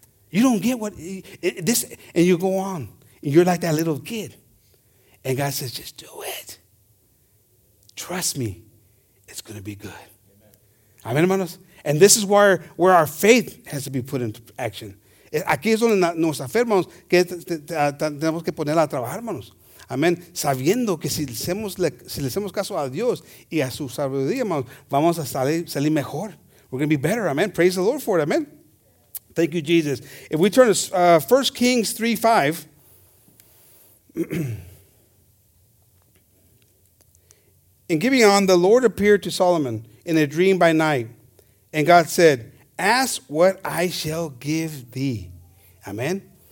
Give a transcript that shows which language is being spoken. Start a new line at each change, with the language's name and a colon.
English: You don't get what this, and you go on. And you're like that little kid. And God says, just do it. Trust me, it's going to be good. Amen, hermanos. And this is where our faith has to be put into action.
Spanish: Aquí es donde nuestra fe, hermanos, que tenemos que ponerla a trabajar, hermanos. Amén. Sabiendo que si le hacemos caso a Dios y a su sabiduría, hermanos, vamos a salir mejor.
English: We're going to be better. Amen. Praise the Lord for it. Amen. Thank you, Jesus. If we turn to 1 Kings 3:5, in Gibeon, the Lord appeared to Solomon in a dream by night, and God said, ask what I shall give thee. Amen.